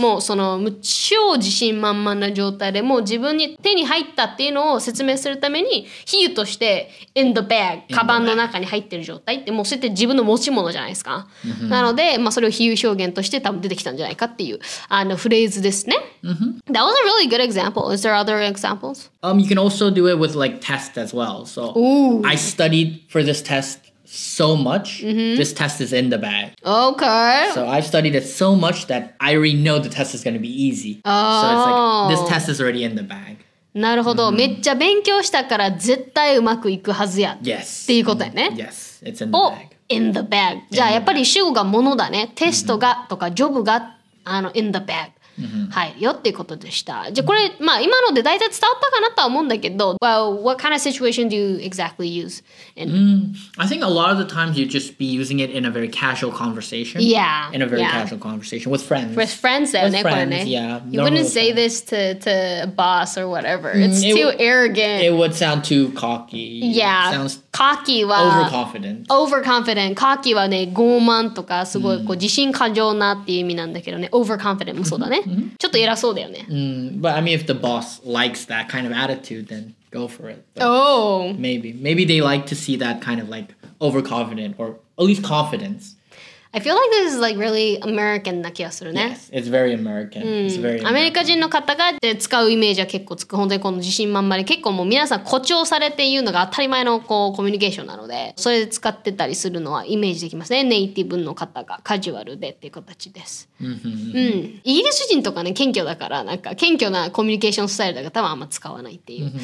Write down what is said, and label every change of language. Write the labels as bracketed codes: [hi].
[ja] もうその、超自信満々な状態で、もう自分に手に入ったっていうのを説明するために、比喩として、in the bag、カバンの中に入ってる状態って、もうそれって自分の持ち物じゃないですか。 Mm-hmm. なので、まあそれを比喩表現として多分出てきたんじゃないかっていう、あのフレーズですね。 Mm-hmm. [en] That was a really good example. Is there other examples? You can also do it with like tests as well. So,、 Ooh. I studied for this test. So much,、 mm-hmm. this test is in the bag. Okay. So I've studied it so much that I already know the test is going to be easy. Oh. So it's like, this test is already in the bag. [ja] なるほど。めっちゃ勉強したから絶対うまくいくはずや。 [en] Yes. [ja] っていうことやね。 [en] Yes. It's in the bag. In the bag. [ja] じゃあやっぱり主語がものだね。テストがとかジョブがあの in the bag. Mm-hmm. はいよっていうことでした。じゃあこれ、まあ今ので大体伝わったかなとは思うんだけど、 [en] well, what kind of situation do you exactly use? In?、I think a lot of the times you'd just be using it in a very casual conversation. Yeah. In a very、yeah. casual conversation with friends. With friends, with ね、 friends ね、 yeah. You wouldn't say this to a boss or whatever. It's too arrogant. It would sound too cocky. Yeah. Sounds cocky は overconfident. Overconfident. [ja] Cocky はね、傲慢とかすごいこう自信過剰なっていう意味なんだけどね。 Overconfident もそうだね。 Mm-hmm. ちょっと偉そうだよね。 [en] But I mean, if the boss likes that kind of attitude, then go for it.、 But、oh! Maybe they like to see that kind of like overconfident or at least confidence. I feel like this is like really American [ja] な気がするね。 [en] Yes, it's very American.、 Mm. It's very [ja] アメリカ人の方が使うイメージは結構つく。本当にこの自信満々で結構もう皆さん誇張されて言うのが当たり前のこうコミュニケーションなので、それで使ってたりするのはイメージできますね。ネイティブの方がカジュアルでっていう形です。 Mm-hmm. イギリス人とかね謙虚だからなんか謙虚なコミュニケーションスタイルだから多分あんま使わないっていう、